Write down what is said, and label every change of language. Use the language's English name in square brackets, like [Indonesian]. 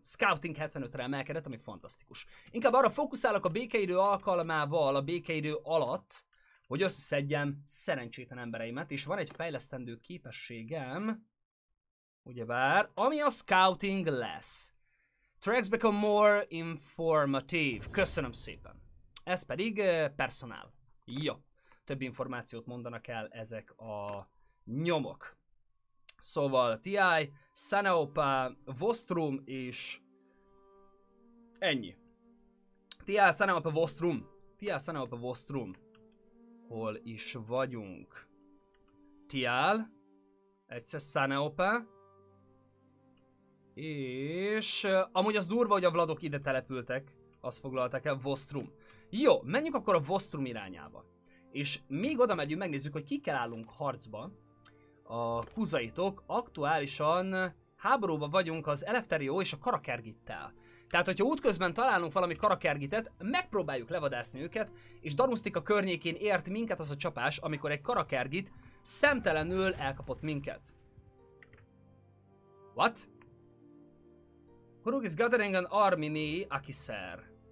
[Hungarian] Scouting 75-re emelkedett, ami fantasztikus. Inkább arra fókuszálok a békeidő alkalmával, a békeidő alatt, hogy összeszedjem szerencsétlen embereimet, és van egy fejlesztendő képességem, ugyebár, ami a scouting lesz. [English] Tracks become more informative. [Hungarian] Köszönöm szépen. Ez pedig personál. Jó. Több információt mondanak el ezek a nyomok. Szóval TI, Saneopa, Vostrum és ennyi. TI, Saneopa, Vostrum. TI, Saneopa, Vostrum. Hol is vagyunk? TI, egyszer Saneopa. És amúgy az durva, hogy a Vladok ide települtek. Azt foglalták el, Vostrum. Jó, menjünk akkor a Vostrum irányába. És még oda megyünk, megnézzük, hogy kikkel állunk harcba. A kuzaitok, aktuálisan háborúban vagyunk az Eleftherió és a Karakergittel. Tehát, hogyha útközben találunk valami Karakergitet, megpróbáljuk levadászni őket, és Darmustika környékén ért minket az a csapás, amikor egy Karakergit szemtelenül elkapott minket. [English] What? Hurug is gathering an army near Akisar.